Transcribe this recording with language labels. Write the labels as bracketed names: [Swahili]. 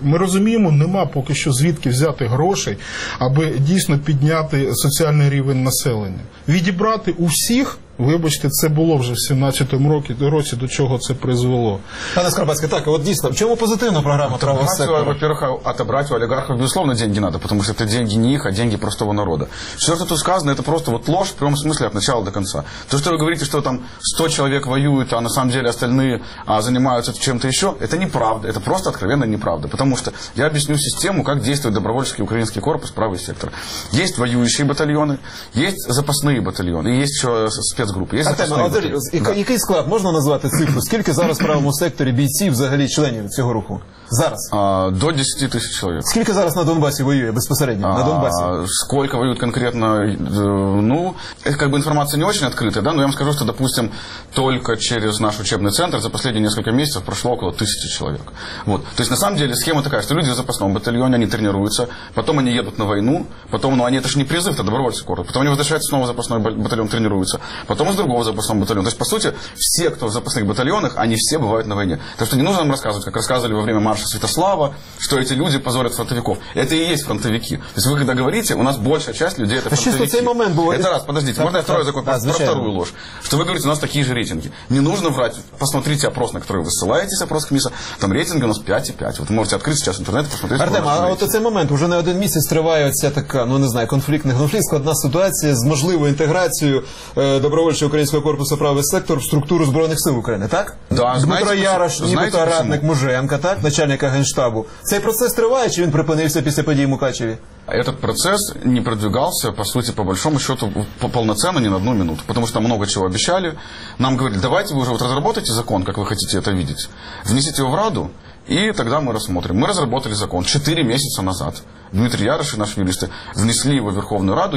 [Ukrainian] Ми розуміємо, нема поки що звідки взяти грошей, аби дійсно підняти соціальний рівень населення. Відібрати у всіх, вибачте, це було вже в 17-му році, до чого це призвело. Пане Скарбацьке, так, от дійсно, в чому позитивна програма правого сектора? [Russian] Во-первых, отобрать у олігархів, безусловно, деньги надо, потому что это деньги не их, а деньги простого народа. Все, что тут сказано, это просто вот ложь в прямом смысле от начала до конца. То, что вы говорите, что там 100 человек воюют, а на самом деле остальные занимаются чем-то еще, это неправда, это просто откровенно неправда. Потому что я объясню систему, как действует добровольческий украинский корпус, правый сектор. Есть воюющие батальоны, есть запасные батальоны, и есть еще спецгрупы. Есть [Ukrainian] Артем, який склад можна назвати цифру? Скільки зараз в правому секторі бійців, взагалі членів цього руху? Зараз? До 10 тисяч чоловік. Скільки зараз на Донбасі воює безпосередньо? На Донбасі? Скільки воюють конкретно? Ну, якби інформація не дуже відкрита, да? [Russian] Но я вам скажу, [Ukrainian] що, допустим, тільки через наш учебний центр за останні кілька місяців пройшло около 1000 чоловік. Вот. Тобто, [Russian] на самом деле, [Ukrainian] схема така, що люди в запасному батальйоні, вони тренуються, потім вони їдуть на війну, потім, ну, вони, це ж не призив, це добровольці корпус, потім вони повертаються, знову запасний батальйон тренуються, потім з другого запасного батальйону. Тобто, по суті, всі, хто в запасних батальйонах, вони всі бувають на війні. Тому що не потрібно нам розказувати, як розказували [Russian] во время марша [Ukrainian] Святослава, що ці люди позорять фронтовиків. Це і є фронтовики. Тобто, ви коли говорите, у нас більша частина людей – це фронтовики. Чисто цей момент був. Це раз, подождіть, можна я вторую закупити? Про вторую ложь. Що ви говорите, у нас такі ж рейтинги. [Russian] Не нужно врать. Посмотрите опрос, на который вы ссылаетесь, опрос КМИСа. Там рейтинги у нас 5,5. Вот вы можете открыть сейчас интернет и посмотреть. Артем, а вот этот момент, уже не один месяц [Ukrainian] триває оця така, [Russian] ну не знаю, конфликтная ситуация с возможной интеграцией добровольцев [Ukrainian] добровольчий українського корпусу «Правий сектор» в структуру Збройних сил України, так? Да, Дмитро Яраш, нібито радник Муженка, так? Начальника Генштабу. Цей процес триває, чи він припинився після подій в Мукачеві? [Russian] Этот процесс не продвигался, по сути, по большому счету, полноценно ни на одну минуту, потому что много чего обещали. Нам говорили, давайте вы уже вот разработаете закон, как вы хотите это видеть, внесите его в Раду, и тогда мы рассмотрим. Мы разработали закон 4 месяца назад. Дмитрий Яриш и наши юристы внесли его в Верховную Раду.